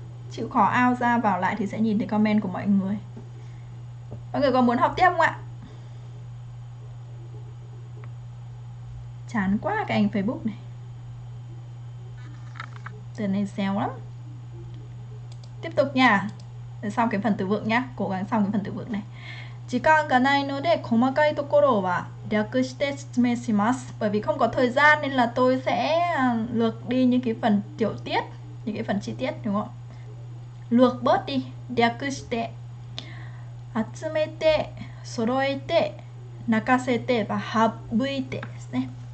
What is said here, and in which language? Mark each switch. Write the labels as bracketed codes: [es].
[vi] Chịu khó out ra vào lại thì sẽ nhìn thấy comment của mọi người. Mọi người có muốn học tiếp không ạ? Chán quá cái anh Facebook này. Từ này xéo lắm. Tiếp tục nha. Để xong cái phần từ vựng nhá. Cố gắng xong cái phần từ vựng này. [ja] 時間がないので細かいところは略して説明します。 [vi] Bởi vì không có thời gian nên là tôi sẽ lược đi những cái phần tiểu tiết, những cái phần chi tiết đúng không? Lược bớt đi. 略して。 [ja] 集めて、揃えて、泣かせて và省いてですね。